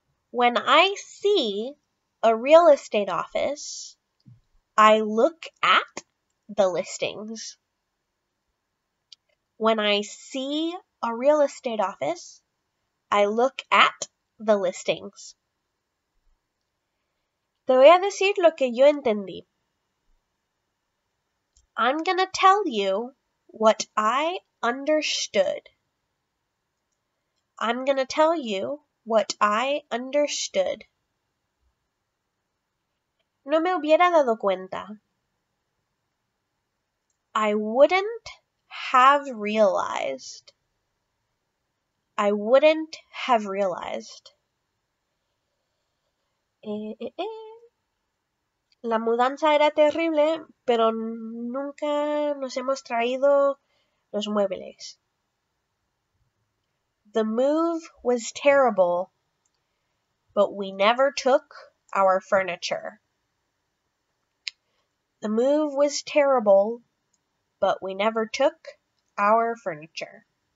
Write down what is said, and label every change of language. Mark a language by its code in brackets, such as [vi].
[en] When I see a real estate office, I look at the listings. When I see a real estate office, I look at the listings. [es] Te voy a decir lo que yo entendí. [en] I'm gonna tell you what I understood. I'm gonna tell you what I understood. [es] No me hubiera dado cuenta. [en] I wouldn't have realized. I wouldn't have realized. [es] La mudanza era terrible, pero nunca nos hemos traído los muebles. [en] The move was terrible, but we never took our furniture. The move was terrible, but we never took our furniture.